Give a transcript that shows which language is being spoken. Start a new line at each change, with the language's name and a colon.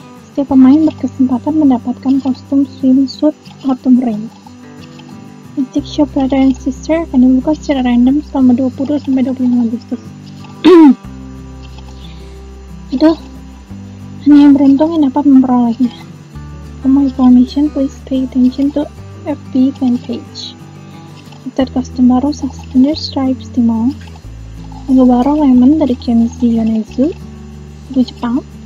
Indonesian: Setiap pemain berkesempatan mendapatkan kostum swimsuit autumn rain. Mystic Shop Brother and Sister akan dibuka secara random selama 22-25 Agustus. Aduh, hanya yang beruntung yang dapat memperolehnya.
English: For more information, please pay attention to FB fanpage.
Indonesian: Update custom baru, Suspender Stripes di mall. Logo baru Lemon dari Kenji Yonezu, di Jepang.